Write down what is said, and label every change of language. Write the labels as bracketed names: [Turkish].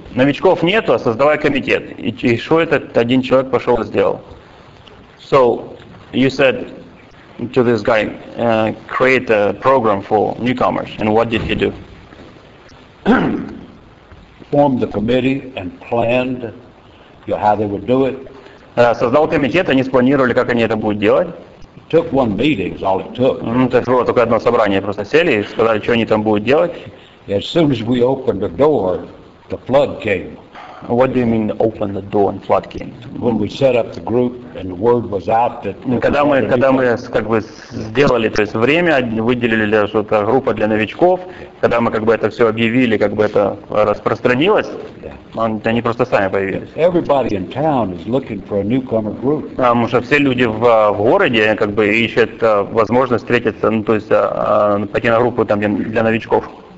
[Russian] Новичков нету, а создавай комитет. И что этот один человек пошел и сделал? [English] So, you said to this guy, create a program for newcomers. And what did he do? Formed the committee and planned how they would do it. [Russian] Создал комитет, они спланировали, как они это будут делать. [English] Took one meeting, is all it took. [Russian] Это было только одно собрание. Просто сели и сказали, что они там будут делать. [English] As soon as we opened the door, the flood came. What do you mean open the door and flood came? When we set up the group and the word was out that [Russian] когда мы как бы сделали, то есть время выделили для что-то группа для новичков, когда мы как бы это все объявили, как бы это распространилось, они просто сами появились. [English] Everybody in town is looking for a newcomer group. [Russian] Потому что все люди в городе как бы ищут возможность встретиться, пойти на группу там для новичков.